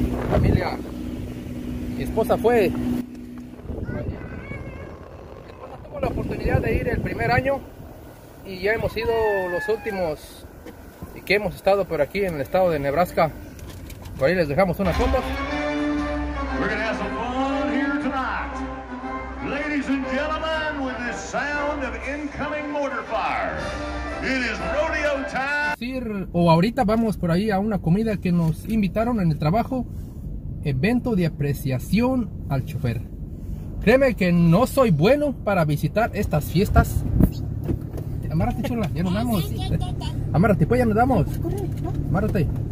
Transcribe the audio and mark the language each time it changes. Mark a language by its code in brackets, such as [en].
[es] Familia, mi esposa fue, la oportunidad de ir el primer año y ya hemos ido los últimos y que hemos estado por aquí en el estado de Nebraska. Por ahí les dejamos unas fotos. [en] We're gonna have some fun here tonight, ladies and gentlemen, with the sound of incoming mortar fire. It is rodeo time. [es] O ahorita vamos por ahí a una comida que nos invitaron en el trabajo, evento de apreciación al chofer. Créeme que no soy bueno para visitar estas fiestas. Amárrate, chula, ya nos vamos. Amárrate, pues ya nos vamos. Amárrate.